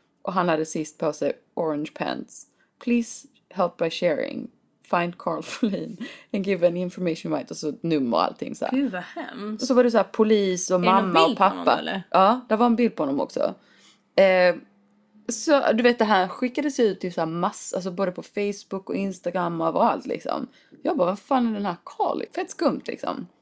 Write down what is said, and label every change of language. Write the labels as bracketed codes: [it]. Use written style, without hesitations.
[sv] Och han hade sist på sig [en] orange pants. Please help by sharing. Find Carl Folin and give any information right. [sv] Och så nummer och allting så här. Gud vad hemskt. Och så var det så här polis och mamma och pappa. Är det någon bild på honom eller? Ja, det var en bild på honom också. Så du vet, det här skickades ut till så här massa, alltså både på Facebook och Instagram och allt liksom. Jag bara, vad fan är den här Carl? Fett skumt liksom.